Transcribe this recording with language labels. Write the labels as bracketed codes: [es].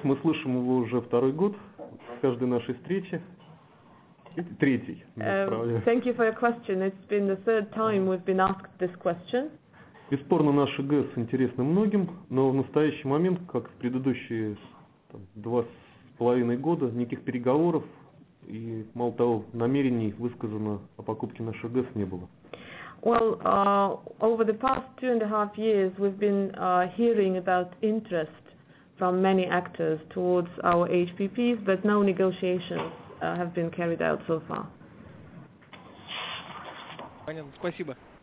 [ru] Мы слышим его уже второй год в каждой нашей встрече. Третий. [en] Thank you for your question. It's been the third time we've been asked this question. [ru] Бесспорно, наши ГЭС интересны многим, но в настоящий момент, как в предыдущие там, 2.5 года, никаких переговоров и, мало того, намерений высказано о покупке наших ГЭС не было. [en] Well, over the past 2.5 years we've been hearing about interest from many actors towards our HPPs, but no negotiations have been carried out so far. [ru] Понятно, спасибо.